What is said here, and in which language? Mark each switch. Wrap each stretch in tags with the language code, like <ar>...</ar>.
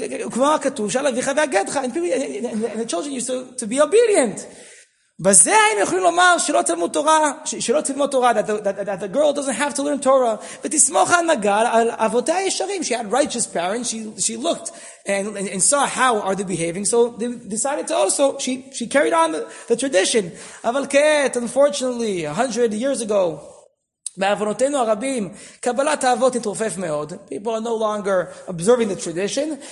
<he>כמו הכתוב, שאל אביך והגדך,</he> <en>and the children used to be obedient.</en> <he>בזה הם יכולים לומר שלא תלמוד תורה, שלא תלמוד תורה,</he> <en>that the girl doesn't have to learn Torah,</en> <he>ותסמוך הנגל על אבותי הישרים.</he> <en>She had righteous parents, she looked and saw how are they behaving, so they decided to also, she carried on the tradition.</en> <he>אבל כעת,</he> <en>unfortunately, 100 years ago,</en> <he>בעוונותינו הרבים, קבלת האבות התרופף מאוד.</he> <en>People are no longer observing the tradition.</en>